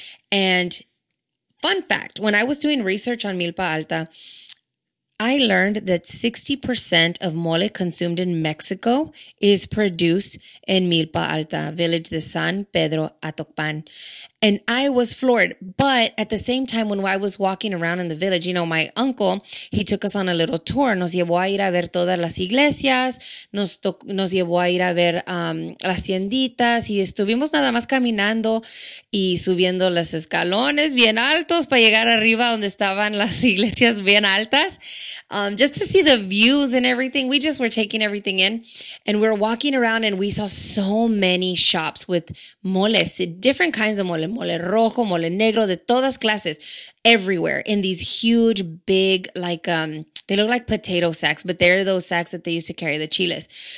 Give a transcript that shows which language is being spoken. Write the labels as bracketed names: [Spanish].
[English] And fun fact, when I was doing research on Milpa Alta, I learned that 60% of mole consumed in Mexico is produced in Milpa Alta, village de San Pedro Atocpan. And I was floored. But at the same time, when I was walking around in the village, you know, my uncle, he took us on a little tour. [Spanish] Nos llevó a ir a ver todas las iglesias. Nos llevó a ir a ver las tienditas. Y estuvimos nada más caminando y subiendo los escalones bien altos para llegar arriba donde estaban las iglesias bien altas. [English] Just to see the views and everything. We just were taking everything in. And we were walking around and we saw so many shops with moles, different kinds of moles. [Spanish] Mole rojo, mole negro, de todas clases, [English] everywhere, in these huge, big, like, they look like potato sacks, but they're those sacks that they used to carry the chiles.